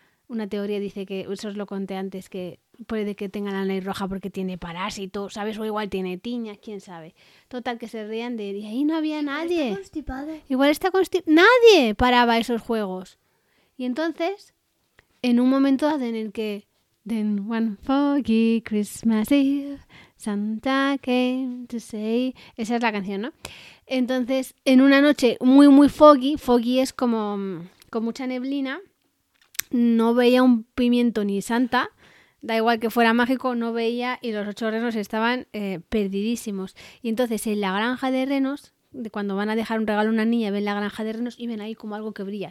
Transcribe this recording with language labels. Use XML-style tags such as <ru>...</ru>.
<es>Una teoría dice que, eso os lo conté antes, que puede que tenga la nariz roja porque tiene parásitos, ¿sabes? O igual tiene tiñas, quién sabe. Total, que se rían de él. Y ahí no había nadie. Está constipado. Igual está constipado. ¡Nadie paraba esos juegos! Y entonces, en un momento en el que...</es> <en>Then one foggy Christmas Eve, Santa came to say...</en> <es>Esa es la canción, ¿no? Entonces, en una noche muy, muy foggy... Foggy es como con mucha neblina. No veía un pimiento ni Santa... Da igual que fuera mágico, no veía y los 8 renos estaban perdidísimos. Y entonces en la granja de renos, de cuando van a dejar un regalo a una niña, ven la granja de renos y ven ahí como algo que brilla.</es>